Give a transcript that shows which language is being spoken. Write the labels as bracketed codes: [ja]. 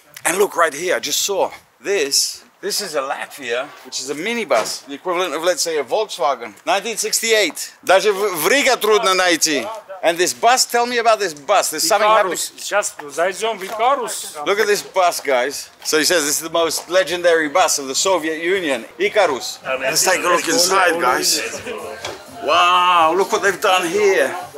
[en] And look right here, I just saw this. This is a Latvia, which is a minibus, the equivalent of, let's say, a Volkswagen. 1968. [ru] Даже в Риге трудно найти. [en] And this bus, tell me about this bus. There's something happening. [ru] Сейчас зайдем в Икарус. [en] Look at this bus, guys. So he says this is the most legendary bus of the Soviet Union, Икарус. Let's take a look inside, guys. Wow, look what they've done here.